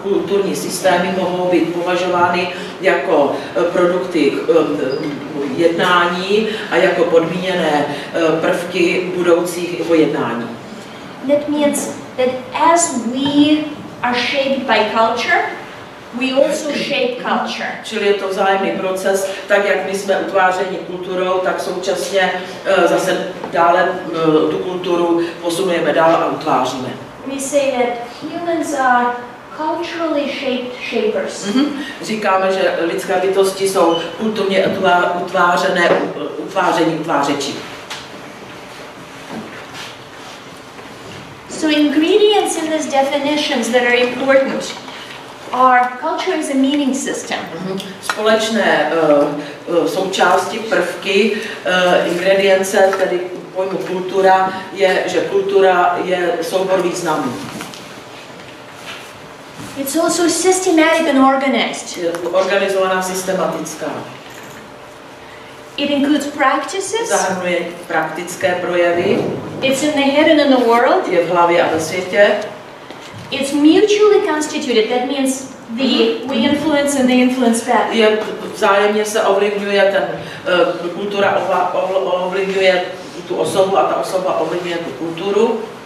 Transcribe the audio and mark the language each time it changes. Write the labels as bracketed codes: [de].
[cs] Kulturní systémy mohou být považovány jako produkty jednání a jako podmíněné prvky budoucích jednání. [en] That means that as we are shaped by culture, we also shape culture. [cs] Čili je to vzájemný proces, tak jak my jsme utvářeni kulturou, tak současně zase dále tu kulturu posunujeme dál a utváříme. [en] We say that humans are culturally shaped shapers. Mm-hmm. [cs] Říkáme, že lidské bytosti jsou kulturně utvářené, utváření utvářeči. [en] So ingredients in these definitions that are important are culture is a meaning system. [cs] Společné součásti, prvky, ingredience, tedy pojmu kultura, je, že kultura je soubor významů. [en] It's also systematic and organized. [cs] Organizovaná, systematická. [en] It includes practices. [cs] Zahrnuje praktické projevy. [en] It's in the head and in the world. [cs] Je v hlavě a ve světě. [en] It's mutually constituted. That means the we influence and they influence back. [cs] Je vzájemně se ovlivňuje ten kultura ovlivňuje tu osobu a ta osoba ovlivňuje tu kulturu.